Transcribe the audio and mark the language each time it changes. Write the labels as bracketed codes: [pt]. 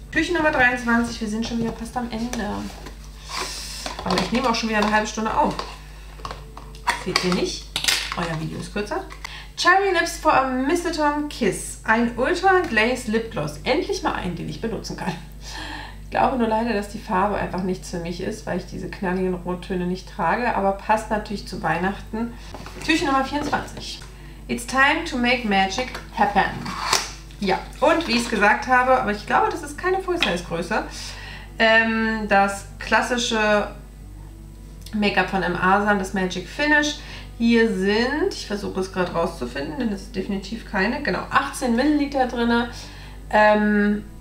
[de] Küche Nummer 23. Wir sind schon wieder fast am Ende. Aber ich nehme auch schon wieder eine halbe Stunde auf. Seht ihr nicht? Euer Video ist kürzer. Cherry Lips for a Mistletoe Kiss. Ein Ultra Glaze Lip Gloss. Endlich mal einen, den ich benutzen kann. Ich glaube nur leider, dass die Farbe einfach nichts für mich ist, weil ich diese knalligen Rottöne nicht trage, aber passt natürlich zu Weihnachten. Türchen Nummer 24. [en] It's time to make magic happen. [de] Ja, und wie ich es gesagt habe, aber ich glaube, das ist keine Full-Size-Größe, das klassische Make-up von M. Arslan, das Magic Finish. Hier sind, ich versuche es gerade rauszufinden, denn es ist definitiv keine, genau, 18 Milliliter drin.